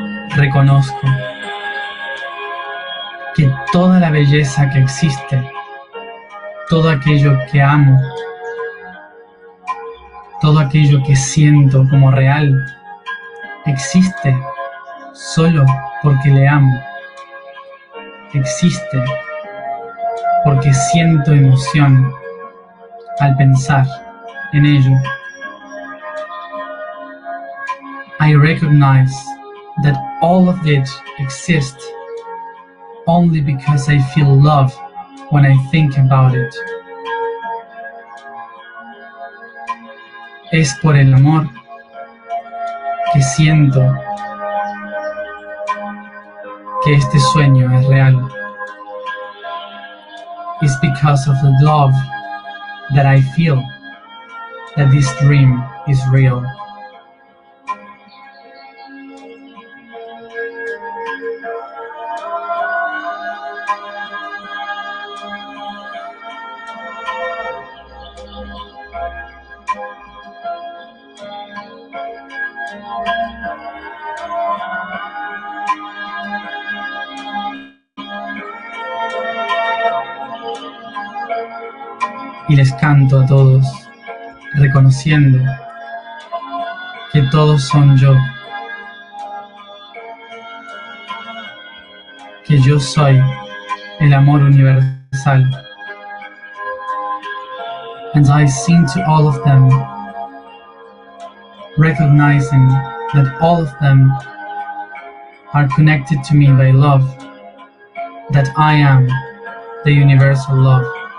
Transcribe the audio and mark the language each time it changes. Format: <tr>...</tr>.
<es>Reconozco que toda la belleza que existe, todo aquello que amo, todo aquello que siento como real, existe solo porque le amo. Existe porque siento emoción al pensar en ello.</es> <en>I recognize that all of it exists only because I feel love when I think about it.</en> <es>Es por el amor que siento que este sueño es real.</es> <en>It's because of the love that I feel that this dream is real.</en> <es>Y les canto a todos, reconociendo que todos son yo, que yo soy el amor universal.</es> <en>And I sing to all of them, recognizing that all of them are connected to me by love, that I am the universal love.</en>